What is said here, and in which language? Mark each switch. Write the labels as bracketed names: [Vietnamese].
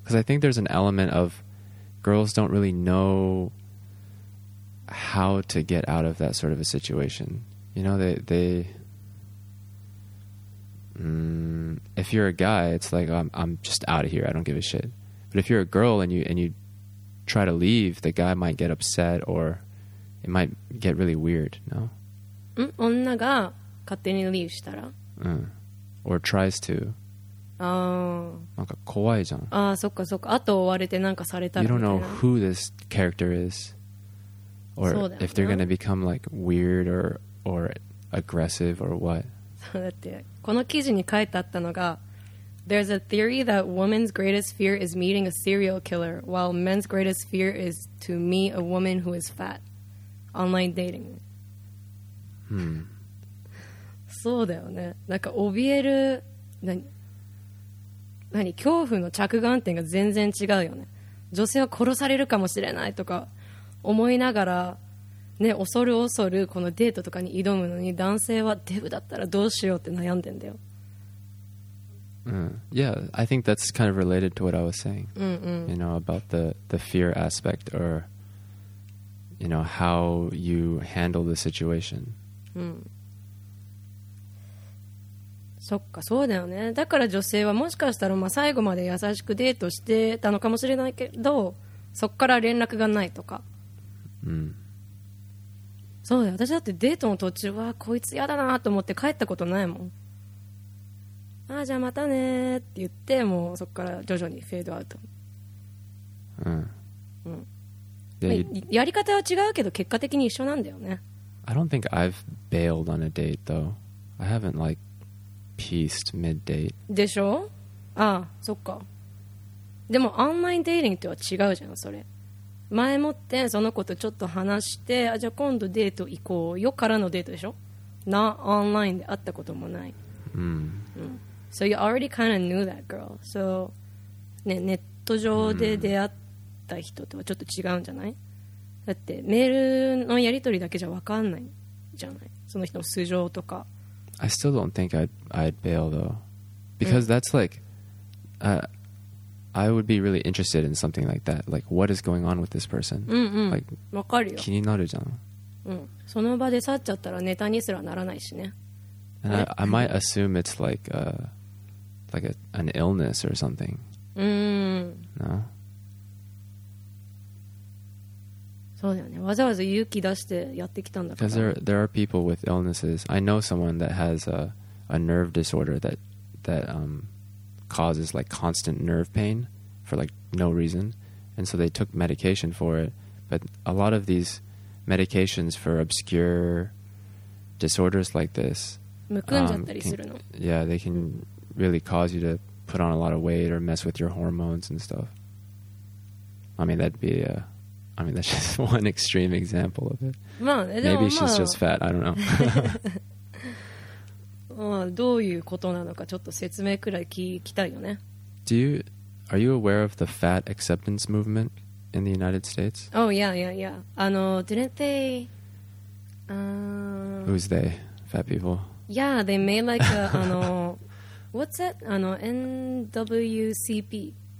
[English] Because I think there's an element of girls don't really know how to get out of that sort of a situation. You know, they if you're a guy, it's like I'm just out of here. I don't give a shit. But if you're a girl and you try to leave, the guy might get upset orIt might get really weird, no? ん？ [Japanese] 女が勝手にリーフしたら？ [English] うん。Or tries to. [Japanese] ああ。なんか怖いじゃん。ああ、そっかそっか。後追われてなんかされたら。 [English] You don't know who this character is. Or if they're gonna become like weird or aggressive or what. [Japanese] そうだって。この記事に書いてあったのが、 [English] There's a theory that women's greatest fear is meeting a serial killer, while men's greatest fear is to meet a woman who is fat. Online dating、 hmm. [Japanese] そうだよね。なんか怯える何恐怖の着眼点が全然違うよね。女性は殺されるかもしれないとか思いながらね、恐る恐るこのデートとかに挑むのに、男性はデブだったらどうしようって悩んでんだよ。 [English] うん、Yeah, I think that's kind of related to what I was saying、 [Japanese] うんうん、 [English] You know, about the fear aspect orYou know, how you handle the situation. [Japanese] うん。そっか、そうだよね。だから女性はもしかしたら、まあ、最後まで優しくデートしてたのかもしれないけど、そっから連絡がないとか。うん。そうだよ。私だってデートの途中はこいつやだなと思って帰ったことないもん。ああ、じゃあまたねって言って、もうそっから徐々にフェードアウト。うん。うん。やり方は違うけど結果的に一緒なんだよね。 [English] I don't think I've bailed on a date though. I haven't like peaced mid-date. [Japanese] でしょ？ああ、そっか。でもオンラインデーティングとは違うじゃん。それ前もってその子とちょっと話して、あ、じゃあ今度デート行こうよからのデートでしょ。なオンラインで会ったこともない、うん、 [English] うん、So you already kind of knew that girl. [Japanese] So、ね、ネット上で出会った人とはちょっと違うんじゃない、うん、だってメールのやり取りだけじゃ分かんないじゃない、その人の素性とか。 [English] I still don't think I'd bail though. Because、うん、that's like、I would be really interested in something like that. Like, what is going on with this person? [Japanese] Like, わかるよ。気になるじゃん。うん。その場で去っちゃったらネタにすらならないしね。 [English] And I might assume it's like a, like a, an illness or something. No? [Japanese] そうだよね。わざわざ勇気出してやってきたんだから。 [English] Because there are people with illnesses. I know someone that has a nerve disorder that causes like constant nerve pain for like no reason, and so they took medication for it. But a lot of these medications for obscure disorders like this, they can really cause you to put on a lot of weight or mess with your hormones and stuff. I mean, that'd be a, I mean, that's just one extreme example of it. Maybe she's just fat, I don't know. [Japanese] まあ、どういうことなのかちょっと説明くらい聞きたいよね。 [English] Are you aware of the fat acceptance movement in the United States? Oh, yeah, yeah, yeah. Didn't they... Who's they? Fat people? Yeah, they made like a... what's that? NWCP.